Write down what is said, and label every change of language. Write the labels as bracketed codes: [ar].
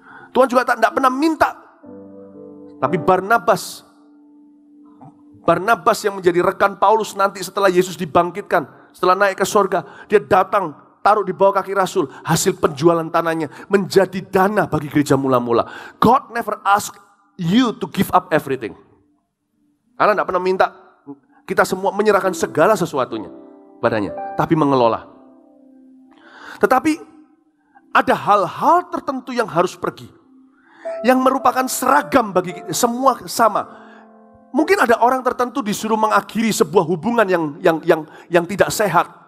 [id] Tuhan juga tidak pernah minta. Tapi Barnabas yang menjadi rekan Paulus nanti setelah Yesus dibangkitkan, setelah naik ke surga, dia datang, taruh di bawah kaki Rasul, hasil penjualan tanahnya, menjadi dana bagi gereja mula-mula. [en] God never ask you to give up everything. [id] Allah tidak pernah minta kita semua menyerahkan segala sesuatunya padanya, tapi mengelola. Tetapi ada hal-hal tertentu yang harus pergi, yang merupakan seragam bagi kita, semua sama. Mungkin ada orang tertentu disuruh mengakhiri sebuah hubungan yang tidak sehat.